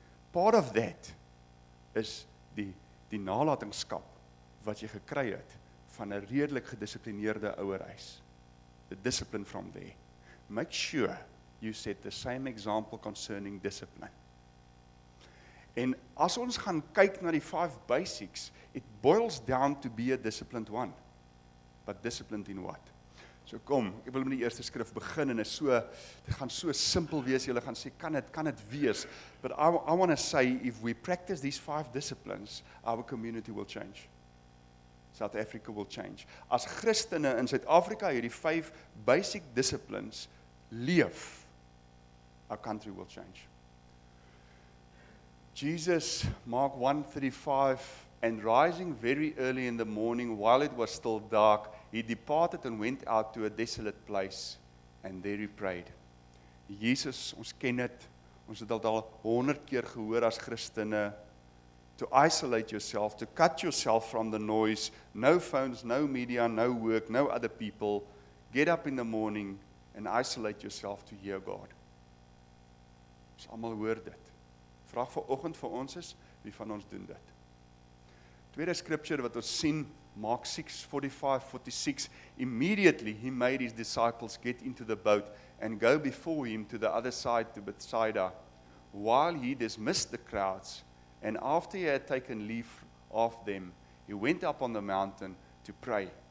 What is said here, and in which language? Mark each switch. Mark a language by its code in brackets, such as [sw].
[en] Part of that is [af] die nalatingskap wat jy gekry het van 'n redelik gedissiplineerde ouerhuis. [en] The discipline from there. Make sure you set the same example concerning discipline. [af] En as ons gaan kyk na die 5 basics, [en] it boils down to be a disciplined one. But disciplined in what? [af] So kom, ek wil met die eerste skrif begin en is so, dit gaan so simpel wees, jy gaan sê, kan het wees? [en] But I want to say, if we practice these 5 disciplines, our community will change. South Africa will change. [af] As Christene in Suid-Afrika hierdie 5 basic disciplines leef, [en] our country will change. Jesus, Mark 1:35, and rising very early in the morning while it was still dark, he departed and went out to a desolate place and there he prayed. [af] Jesus, ons ken dit, ons het dit al 100 keer gehoor as Christene, [en] to isolate yourself, to cut yourself from the noise, no phones, no media, no work, no other people, get up in the morning and isolate yourself to hear God. [af] Ons almal hoor dit. Vraag vir oggend vir ons is, wie van ons doen dit? Tweede scripture wat ons sien, [en] Mark 6:45-46, immediately he made his disciples get into the boat and go before him to the other side to Bethsaida, while he dismissed the crowds, and after he had taken leave of them, he went up on the mountain to pray.